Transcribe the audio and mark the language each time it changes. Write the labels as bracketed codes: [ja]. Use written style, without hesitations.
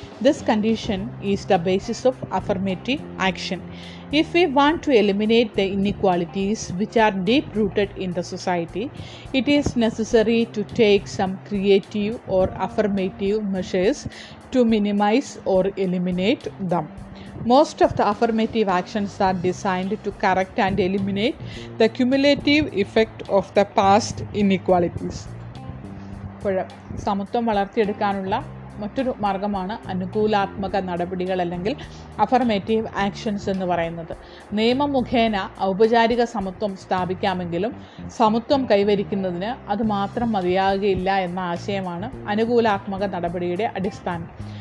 [en] This condition is the basis of affirmative action. If you want to eliminate the inequalities which are deep rooted in the society, it is necessary to take some creative or affirmative measures to minimise or eliminate them. Most of the affirmative actions are designed to correct and eliminate the cumulative effect of the past inequalities. [ml] പഴ സമത്വം വളർത്തിയെടുക്കാനുള്ള മറ്റൊരു മാർഗമാണ് അനുകൂലാത്മക നടപടികൾ, അല്ലെങ്കിൽ affirmative actions എന്ന് പറയുന്നത്. നിയമം മുഖേന ഔപചാരിക സമത്വം സ്ഥാപിക്കാമെങ്കിലും സമത്വം കൈവരിക്കുന്നതിന് അത് മാത്രം മതിയാകുകയില്ല എന്ന ആശയമാണ് അനുകൂലാത്മക നടപടിയുടെ അടിസ്ഥാനം.